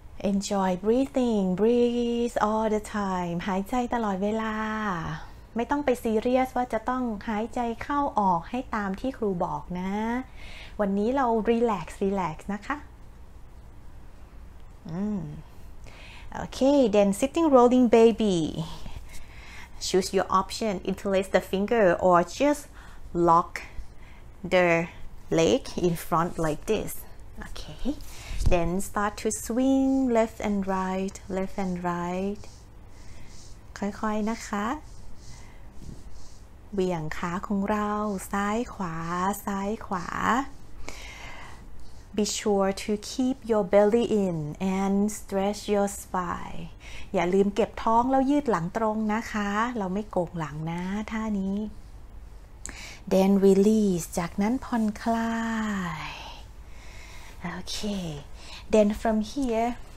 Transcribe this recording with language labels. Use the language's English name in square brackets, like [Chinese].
[English] enjoy breathing breathe all the time [Thai] หายใจตลอดเวลาไม่ต้องไปซีเรียสว่าจะต้องหายใจเข้าออกให้ตามที่ครูบอกนะวันนี้เรา relax relax นะคะ [English] okay then sitting rolling baby choose your option interlace the finger or justLock the leg in front like this. Okay. Then start to swing left and right, left and right. [Thai] ค่อยๆนะคะเบี่ยงขาของเราซ้ายขวาซ้ายขวา [English] Be sure to keep your belly in and stretch your spine. [Thai] อย่าลืมเก็บท้องแล้วยืดหลังตรงนะคะเราไม่โก่งหลังนะท่านี้ [English] Then release [Thai] จากนั้นผ่อนคลายโอเค [English] Then from here